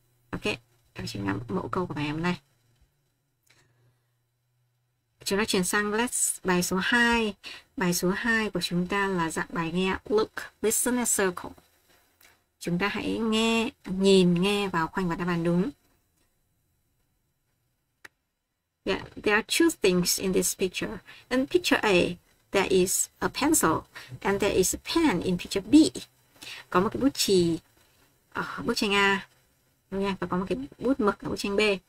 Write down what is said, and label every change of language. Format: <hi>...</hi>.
<vi>Ok, đó chính là mẫu câu của bài hôm nay. Chúng ta chuyển sang bài số 2. Bài số 2 của chúng ta là dạng bài nghe look, listen and circle. Chúng ta hãy nghe vào khoanh và đáp án đúng.</vi> <en>Yeah, there are two things in this picture. In picture A, there is a pencil and there is a pen in picture B.</en> <vi>Có một cái bút chì ở bức tranh A. Đúng nha, và có một cái bút mực ở bức tranh B.</vi>